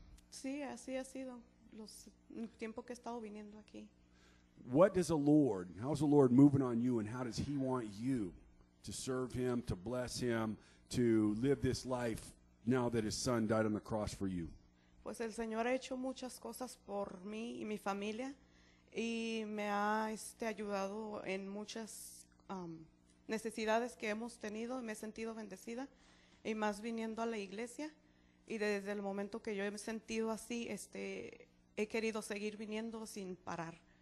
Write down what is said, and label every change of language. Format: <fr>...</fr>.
<es>Sí, así ha sido los tiempo que he estado viniendo aquí.</es> <en>What does the Lord, how's the Lord moving on you, and how does he want you to serve him, to bless him, to live this life now that his son died on the cross for you?</en> <es>Pues el Señor ha hecho muchas cosas por mí y mi familia, y me ha ayudado en muchas necesidades que hemos tenido. Me he sentido bendecida, y más viniendo a la iglesia, y desde el momento que yo he sentido así, he querido seguir viniendo sin parar.</es>